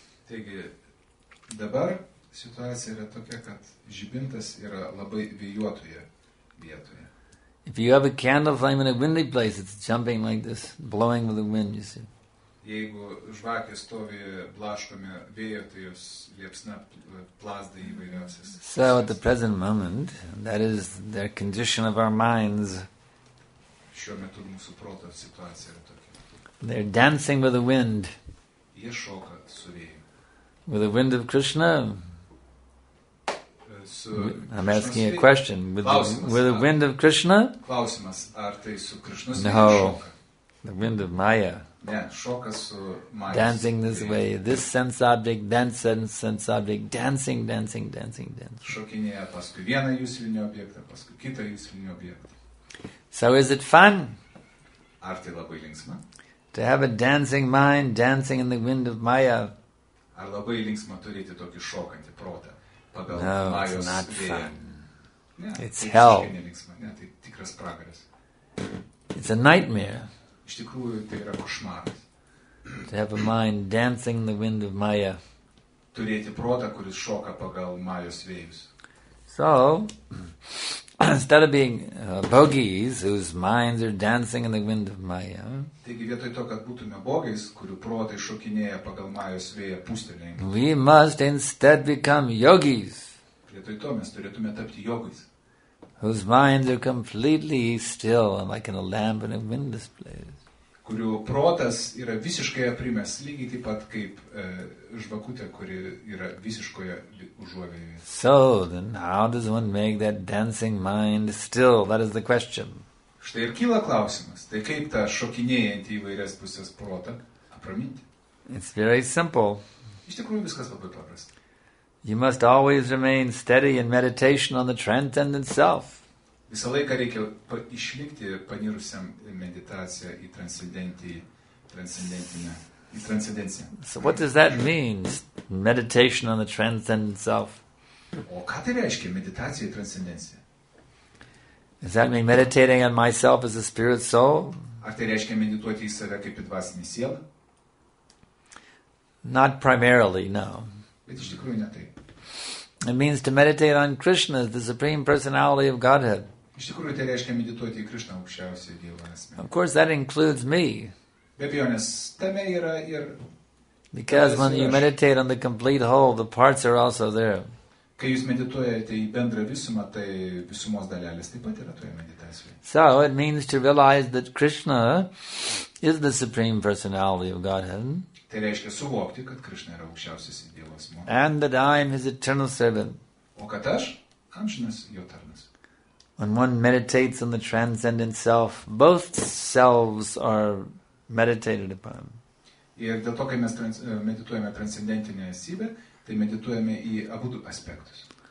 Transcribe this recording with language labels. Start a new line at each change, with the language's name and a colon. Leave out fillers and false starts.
Lithuanian: Taigi, dabar situacija yra tokia, kad žibintas yra labai vėjuotoje vietoje.
English: If you have a candle flame in a windy place, it's jumping like this, blowing with the wind, you see.
Lithuanian: Jeigu žvakė stovi blaškomi vėjo, tai jos liepsna plazda įvairiausias.
English: So at the present moment, that is the condition of our minds.
Lithuanian: Šiuo metu mūsų proto situacija yra tokia.
English: They're dancing with the wind.
Lithuanian: Yashoka su vėju.
English: With the wind of Krishna? I'm asking a question. With the wind of Krishna?
Lithuanian: Klausimas, ar tai su Krishna su
English: Yashoka? The wind of Maya.
Lithuanian: Yeah, šoka su Maya.
English: Dancing this way, this sense object, then sense object, dancing.
Lithuanian: Šokinėja paskui vieną jūsilinį objektą, paskui kitą jūsilinį objektą.
English: So is it fun?
Lithuanian: Ar tai labai linksma?
English: To have a dancing mind, dancing in the wind of Maya.
Lithuanian: Ar labai linksma turėti tokį šokantį protą? Pagal
English: no,
Lithuanian: Majos
English: it's not
Lithuanian: vėją.
English: Fun.
Lithuanian: Ne,
English: it's hell.
Lithuanian: Ne, tai tikras pragaras.
English: It's a nightmare.
Lithuanian: Iš tikrųjų, tai yra košmaras.
English: To have a mind dancing in the wind of Maya.
Lithuanian: Turėti protą, kuris šoka pagal Majos vėjus.
English: So, instead of being bogies whose minds are dancing in the wind of Maya.
Lithuanian: Taigi vietoj to, kad būtume bogies, kurių protai šokinėja pagal Majos vėją pūstelėjimą.
English: We must instead become yogis.
Lithuanian: Vietoj to mes turėtume tapti jogais.
English: Whose minds are completely still, like in a lamp in a windless place.
Lithuanian: Kurių protas yra visiškai aprimęs, lygiai taip pat kaip žvakutė, kuri yra visiškoje užuovėje.
English: So, then how does one make that dancing mind still? That is the question.
Lithuanian: Štai ir kyla klausimas. Tai kaip tą šokinėjantį įvairias pusės protą apraminti?
English: It's very simple.
Lithuanian: Iš tikrųjų viskas labai paprasta.
English: You must always remain steady in meditation on the transcendent self.
Lithuanian: Visą laiką reikia išlikti panirusiam meditaciją į transcendenciją.
English: So what does that mean, meditation on the transcendent self?
Lithuanian: O ką tai reiškia, meditacija į transcendenciją?
English: Does that mean meditating on myself as a spirit soul?
Lithuanian: Ar tai reiškia medituoti į save kaip į dvasinį sielą?
English: Not primarily, no.
Lithuanian: Bet iš tikrųjų ne tai.
English: It means to meditate on Krishna, the Supreme Personality of Godhead.
Lithuanian: Iš tikrųjų, tai reiškia medituoti į Krishna, aukščiausią Dievo asmenį.
English: Of course, that includes me.
Lithuanian: Be abejonės, tame yra ir...
English: Because when you meditate on the complete whole, the parts are also there.
Lithuanian: Kai jūs medituojate į bendrą visumą, tai visumos dalelės taip pat yra toje meditacijoje.
English: So, it means to realize that Krishna is the Supreme Personality of Godhead.
Lithuanian: Tai reiškia suvokti, kad Krishna yra aukščiausias Dievo asmuo.
English: And that I am his eternal servant.
Lithuanian: O kad aš amžinas jo tarnas.
English: When one meditates on the transcendent self, both selves are meditated upon.
Lithuanian: Ir dėl to, kai mes medituojame transcendentinę esybę, tai medituojame į abudu aspektus.